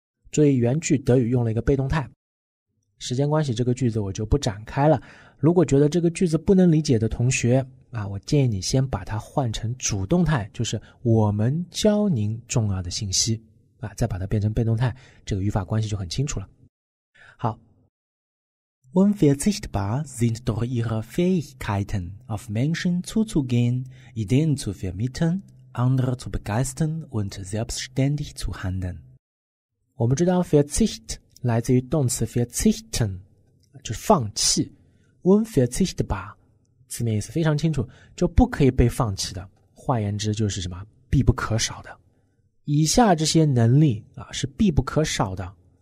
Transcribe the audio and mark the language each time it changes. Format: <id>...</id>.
<zh>注意原句德语用了一个被动态，时间关系这个句子我就不展开了。如果觉得这个句子不能理解的同学啊，我建议你先把它换成主动态，就是我们教您重要的信息啊，再把它变成被动态，这个语法关系就很清楚了。好，</zh> <de>Unverzichtbar sind doch ihre Fähigkeiten auf Menschen zuzugehen, Ideen zu vermitteln, andere zu begeistern und selbstständig zu handeln。</de> <zh>我们知道 verzicht 来自于动词 verzichten， 就是放弃。 unverzichtbar 字面意思非常清楚，就不可以被放弃的，换言之就是什么必不可少的。以下这些能力、啊、是必不可少的，</zh>